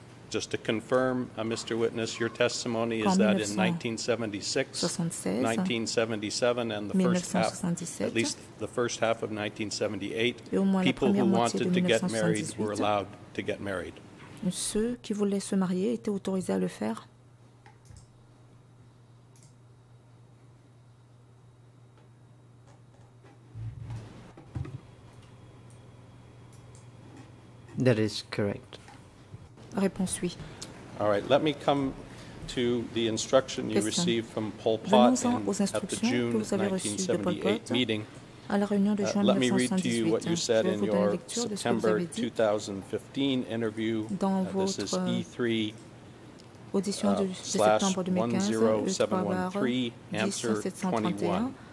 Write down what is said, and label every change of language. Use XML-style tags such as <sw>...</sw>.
<en>Just to confirm, Mr. Witness, your testimony is that in 1976, 1977, and the first half, at least the first half of 1978, people who wanted to get married were allowed to get married.</en> <fr>Ceux qui voulaient se marier étaient autorisés à le faire.</fr> <en>That is correct.</en> <fr>Réponse oui.</fr> <en>All right, let me come to the instruction you received from Pol Pot at the June 1978 meeting.</en> <fr>À la réunion de juin 1978, je vais vous donner lecture de ce que vous avez dit dans votre audition de septembre 2015,</fr>